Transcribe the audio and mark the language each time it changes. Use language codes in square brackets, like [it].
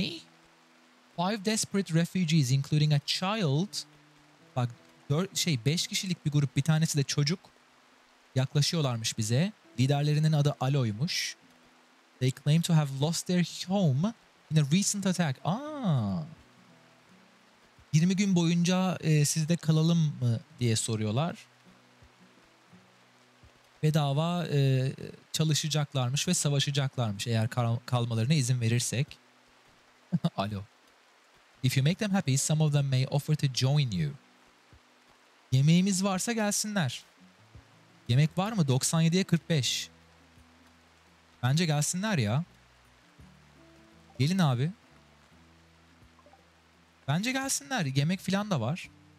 [en] 5 desperate refugees including a child. [tr] Bak 5 kişilik bir grup, bir tanesi de çocuk. Yaklaşıyorlarmış bize. Liderlerinin adı Alo'ymuş. [en] They claim to have lost their home in a recent attack. Aa. [tr] 20 gün boyunca sizde kalalım mı diye soruyorlar. Bedava çalışacaklarmış ve savaşacaklarmış eğer kalmalarına izin verirsek. Alo. [en] If you make them happy, some of them may offer to join you. [tr] Yemeğimiz varsa gelsinler. Yemek var mı? 97'ye 45. Bence gelsinler ya. Gelin abi. Bence gelsinler. Yemek falan da var.